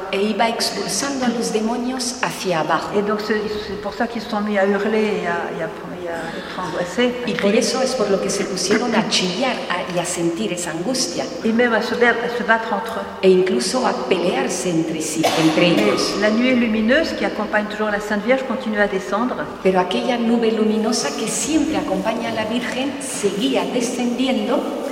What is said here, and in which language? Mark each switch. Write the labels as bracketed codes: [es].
[es] E iba expulsando a los demonios hacia abajo. [fr] Et donc c'est pour ça qu'ils se sont mis à hurler et à être angoissés. [es] Y por eso es por lo que se pusieron a chillar y a sentir esa angustia. [fr] Et même à se battre entre eux. [es] E incluso a pelearse entre sí, entre ellos. [fr] La nuée lumineuse qui accompagne toujours la Sainte Vierge continue à descendre. [es] Pero aquella nube luminosa que siempre acompaña a la Virgen seguía descendiendo.